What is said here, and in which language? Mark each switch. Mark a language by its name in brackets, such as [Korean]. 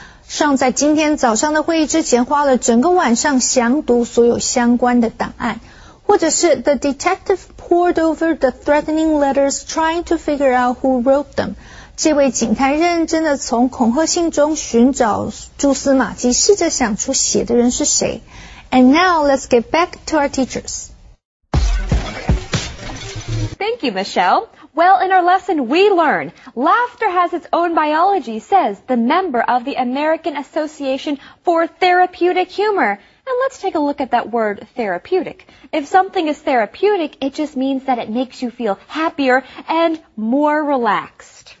[Chinese] Sean 在今天早上的会议之前花了整个晚上详读所有相关的档案。 [English] 或者是 The detective pored over the threatening letters trying to figure out who wrote them. [Chinese] 这位警探认真地从恐吓信中寻找蛛丝马迹，试着想出写的人是谁。 [English] And now, let's get back to our teachers. Thank you, Michelle. Well, in our lesson, we learn laughter has its own biology, says the member of the American Association for Therapeutic Humor. And let's take a look at that word, therapeutic. If something is therapeutic, it just means that it makes you feel happier and more relaxed.